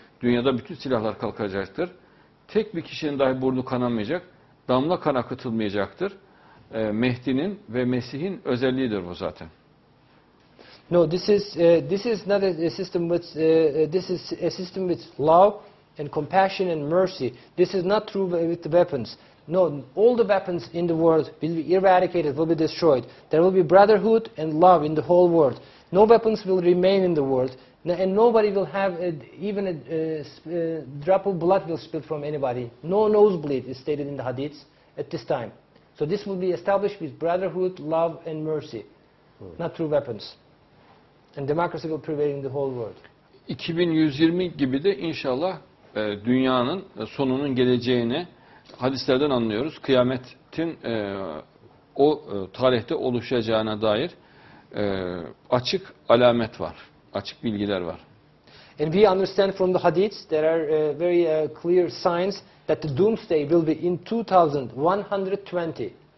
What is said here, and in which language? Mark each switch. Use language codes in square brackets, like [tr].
[tr] Dünyada bütün silahlar kalkacaktır. Tek bir kişinin dahi burnu kanamayacak, damla kan akıtılmayacaktır. Mehdi'nin ve Mesih'in özelliğidir bu zaten. [en] No, this is not a system with this is a system with love and compassion and mercy. This is not true with the weapons. No, all the weapons in the world will be eradicated, will be destroyed. There will be brotherhood and love in the whole world. No weapons will remain in the world, and nobody will have even a drop of blood will spill from anybody. No nosebleed is stated in the hadiths at this time. So this will be established with brotherhood, love and mercy, not through weapons. And democracy will prevail in the whole world. [tr] 2120 gibi de inşallah dünyanın sonunun geleceğini hadislerden anlıyoruz. Kıyametin o tarihte oluşacağına dair açık alamet var. Açık bilgiler var. [en] And we understand from the hadiths there are very clear signs that the doomsday will be in 2120.